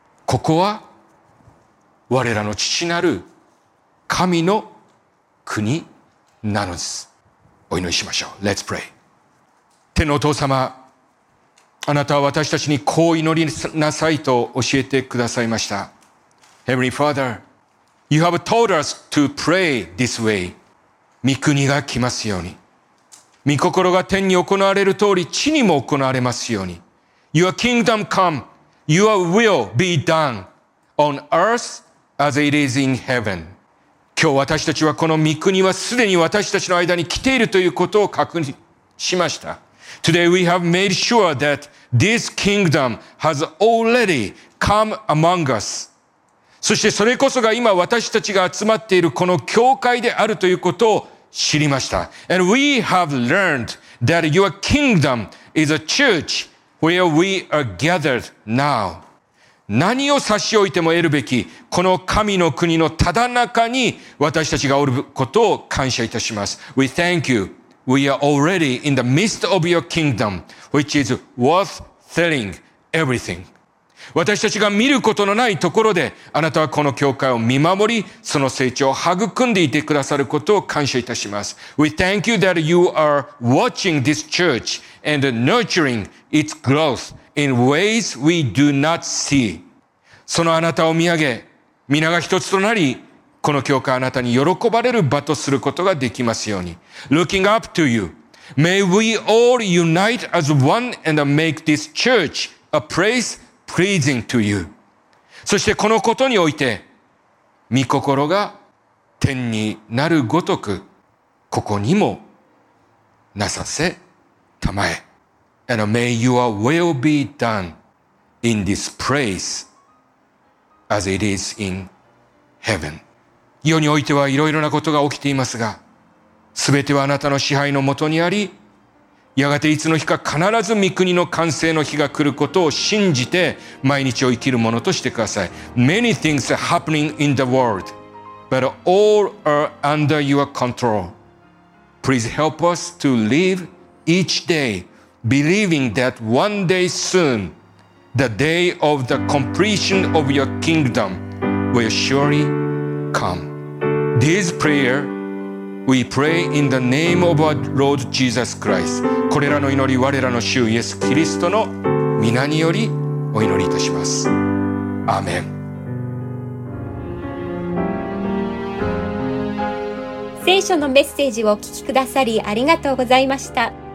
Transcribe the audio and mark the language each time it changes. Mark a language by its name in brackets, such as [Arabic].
[Japanese] ここは我らの父なる神の国なのです。お祈りしましょう。 [English] Let's pray。 [Japanese] 天のお父様、あなたは私たちにこう祈りなさいと教えてくださいました。 [English] Heavenly Father、You have told us to pray this way. [Japanese] 御国が来ますように。御心が天に行われる通り、地にも行われますように。 [English] Your kingdom come. Your will be done on earth as it is in heaven. [Japanese] 今日私たちはこの御国はすでに私たちの間に来ているということを確認しました。 [English] Today we have made sure that this kingdom has already come among us. [Japanese] そしてそれこそが今私たちが集まっているこの教会であるということを知りました。 [English] And we have learned that your kingdom is a church where we are gathered now. [Japanese] 何を差し置いても得るべき、この神の国のただ中に私たちがおることを感謝いたします。 [English] We thank you We are already in the midst of your kingdom, which is worth selling everything. [Japanese] 私たちが見ることのないところで、あなたはこの教会を見守り、その成長を育んでいてくださることを感謝いたします。 [English] We thank you that you are watching this church and nurturing its growth in ways we do not see. [Japanese] そのあなたを見上げ、皆が一つとなり、この教会あなたに喜ばれる場とすることができますように。 [English] Looking up to you, may we all unite as one and make this church a place pleasing to you. [Japanese] そしてこのことにおいて、御心が天になるごとく、ここにもなさせたまえ。 [English] And may your will be done in this place as it is in heaven. [Japanese] 世においてはいろいろなことが起きていますが、すべてはあなたの支配のもとにあり、やがていつの日か必ず御国の完成の日が来ることを信じて毎日を生きるものとしてください。 [English] Many things are happening in the world, but all are under your control. Please help us to live each day, believing that one day soon, the day of the completion of your kingdom will surely come. This prayer, we pray in the name of our Lord Jesus Christ. [Japanese] これらの祈り、我らの主イエス・キリストの御名によりお祈りいたします。アーメン。聖書のメッセージをお聞きくださりありがとうございました。